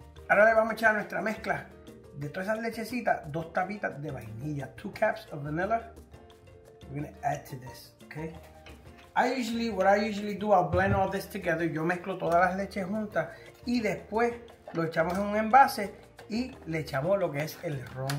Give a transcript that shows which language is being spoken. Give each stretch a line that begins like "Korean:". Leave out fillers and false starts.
Spanish: Ahora le vamos a echar nuestra mezcla de todas esas lechecitas, dos tapitas de vainilla.
English: Two caps of vanilla. We're gonna add to this, okay? What I usually do, I'll blend all this together.
Spanish: Yo mezclo todas las leches juntas y después lo echamos en un envase y le echamos lo que es el rum.